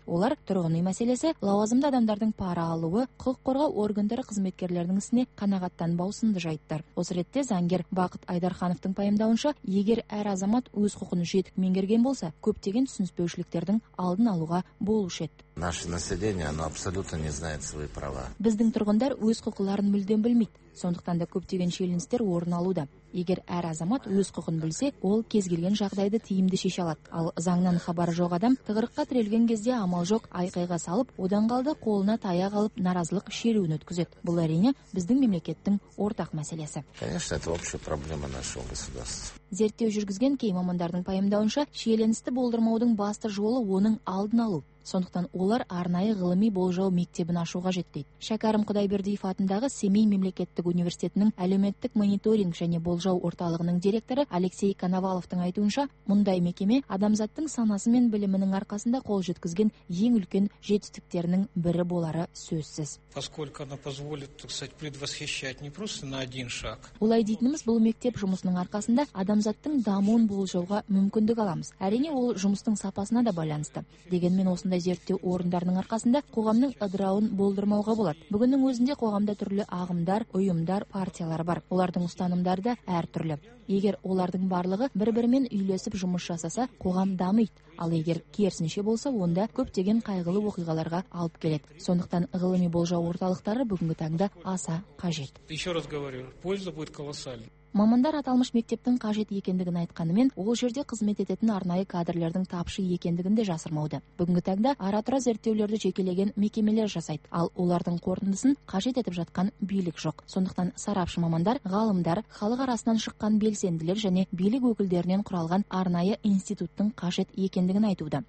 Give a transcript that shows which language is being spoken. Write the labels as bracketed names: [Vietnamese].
[Kazakh] Олар тұрғын үй мәселесі, лауазымды адамдардың пара алуы, қорғау органдары қызметкерлерінің ісіне қанағаттанбау сынды жайттар. Осы ретте заңгер Бақыт Айдархановтың пайымдауынша, егер әр азамат өз құқығын жетік меңгерген болса, көптеген түсініспеушіліктердің алдын алуға болушы еді. [Russian] Наше население, оно абсолютно не знает свои права. [Kazakh] Біздің тұрғындар өз құқыларын мүлдем білмейді. Сондықтан да көптеген шиеленістер орын алуда. Егер әр азамат өз құқын білсе, ол кезгелген жағдайды тиімді шеше алады. Ал заңнан хабары жоқ адам тығырыққа тірелген кезде амал жоқ айқайға салып, одан қалды қолына таяқ алып наразылық шеруін өткізеді. Бұл әрине біздің мемлекеттің ортақ мәселесі. [Russian] Конечно, это общая проблема нашего государства. [Kazakh] Зерттеу жүргізген кей мамандардың пайымдауынша, шиеленісті болдырмаудың басты жолы оның алдын алу. Сондықтан олар арнайы ғылыми болжау мектебін ашуға жеттейді. Шәкәрім Құдайбердиев атындағы Семей мемлекеттік университетінің әлеуметтік мониторинг және болжау орталығының директоры Алексей Коноваловтың айтуынша, мұндай мекеме адамзаттың санасы мен білімінің арқасында қол жеткізген ең үлкен жетістіктерінің бірі болары сөзсіз. [Russian] Поскольку она позволит, так сказать, предвосхищать не просто на один шаг. [Kazakh] Олай дейтініміз, бұл мектеп жұмысының арқасында адамзаттың дамуын болжауға мүмкіндік аламыз. Әрине, ол жұмыстың сапасына да байланысты. Дегенмен осындай зерттеу орындарының арқасында қоғамның ыдырауын болдырмауға болады. Бүгіннің өзінде қоғамда түрлі ағымдар, ұйымдар, партиялар бар. Олардың ұстанымдары да әртүрлі. Егер олардың барлығы бір-бірімен үйлесіп жұмыс жасаса, қоғам дамиды. Ал егер керісінше болса, онда көптеген қайғылы оқиғаларға алып келеді. Сондықтан ғылыми болжау орталықтары бүгінгі таңда аса қажет. [Russian] Еще раз говорю, польза будет колоссальна. [Kazakh] Мамандар аталмыш мектептің қажет екендігін айтқанымен, ол жерде қызмет ететін арнайы кадрлердің тапшы екендігін де жасырмауды. Бүгінгі таңда аратура зерттеулерді жекелеген мекемелер жасайды, ал олардың қорытындысын қажет етіп жатқан билік жоқ. Сондықтан сарапшы мамандар, ғалымдар, халық арасынан шыққан белсенділер және билік өкілдерінен құралған арнайы институттың қажет екендігін айтуды.